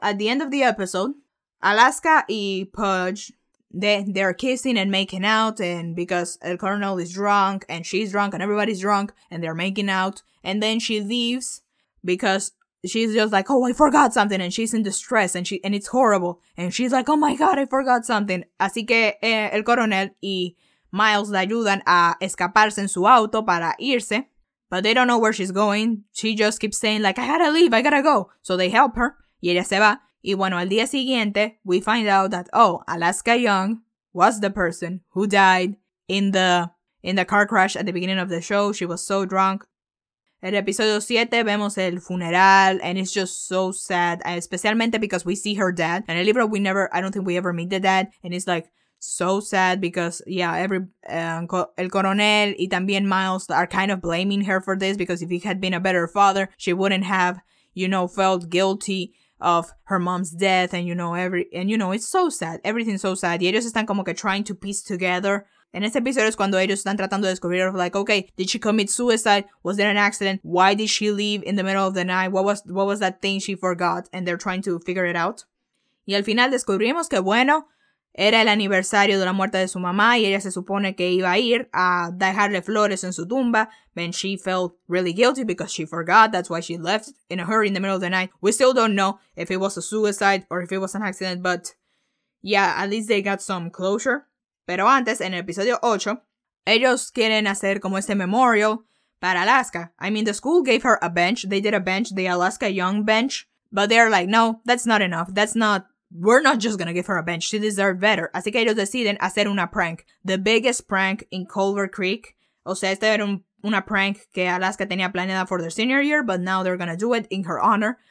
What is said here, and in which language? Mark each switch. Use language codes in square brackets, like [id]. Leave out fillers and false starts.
[en] At the end of the episode, Alaska and Pudge, they're kissing and making out, and because El Colonel is drunk and she's drunk and everybody's drunk and they're making out. And then she leaves because she's just like, oh, I forgot something. And she's in distress and it's horrible. And she's like, oh my God, I forgot something. [es] Así que El Coronel y Miles le ayudan a escaparse en su auto para irse. [en] But they don't know where she's going. She just keeps saying like, I gotta leave, I gotta go. So they help her [es] y ella se va. Y bueno, al día siguiente, [en] we find out that, oh, Alaska Young was the person who died in the car crash at the beginning of the show. She was so drunk. [es] El episodio 7, vemos el funeral, [en] and it's just so sad, especialmente because we see her dad. In the libro, I don't think we ever meet the dad, and it's like so sad because, yeah, El Coronel [es] y también [en] Miles are kind of blaming her for this, because if he had been a better father, she wouldn't have, you know, felt guilty of her mom's death, and you know, it's so sad. Everything's so sad. [es] Y ellos están como que [en] trying to piece together. [es] En este episodio es cuando ellos están tratando de descubrir, [en] like, okay, did she commit suicide? Was there an accident? Why did she leave in the middle of the night? What was that thing she forgot? And they're trying to figure it out. [es] Y al final descubrimos que, bueno, era el aniversario de la muerte de su mamá, y ella se supone que iba a ir a dejarle flores en su tumba. [en] And she felt really guilty because she forgot. That's why she left in a hurry in the middle of the night. We still don't know if it was a suicide or if it was an accident, but yeah, at least they got some closure. [es] Pero antes, en el episodio 8, ellos quieren hacer como este memorial para Alaska. [en] I mean, the school gave her a bench. They did a bench, the Alaska Young bench. But they're like, no, that's not enough. We're not just gonna give her a bench. She deserved better. [es] Así que ellos deciden hacer una prank. [en] The biggest prank in Culver Creek. [es] O sea, esta era una prank que Alaska tenía planeada [en] for their senior year, but now they're gonna do it in her honor.